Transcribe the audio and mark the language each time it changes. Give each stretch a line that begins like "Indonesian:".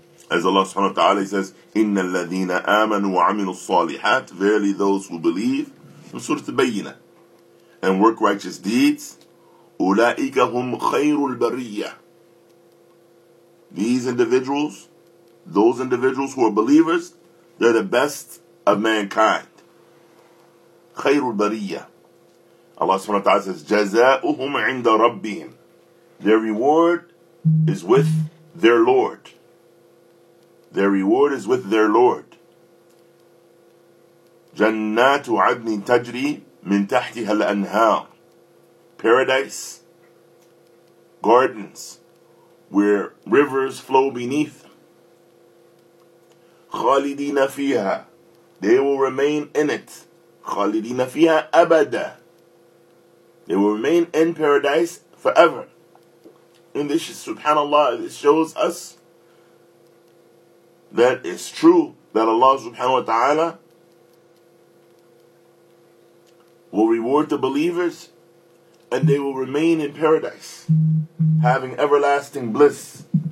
English: As Allah subhanahu wa ta'ala says,
Arabic: إِنَّ الَّذِينَ آمَنُوا وَعَمِلُوا الصَّالِحَاتِ
English: Verily those who believe, in Surah Al-Bayyinah, and work righteous deeds,
Arabic: أُولَٰئِكَ هُمْ خَيْرُ الْبَرِيَّةِ
English: These individuals, those individuals who are believers, they're the best of mankind.
Arabic: خَيْرُ الْبَرِيَّةِ Allah subhanahu wa ta'ala says, جَزَاؤُهُمْ عِنْدَ رَبِّهِمْ
English: Their reward is with their Lord. Their reward is with their Lord.
Arabic: جَنَّاتُ عَدْنٍ تَجْرِي مِنْ تَحْتِهَا الْأَنْهَارِ
English: Paradise, gardens, where rivers flow beneath.
Arabic: خَالِدِينَ فِيهَا
English: They will remain in it.
Arabic: خَالِدِينَ فِيهَا أَبَدًا
English: They will remain in paradise forever. And this is, subhanAllah, this shows us that it's true that Allah subhanahu wa ta'ala will reward the believers and they will remain in paradise, having everlasting bliss.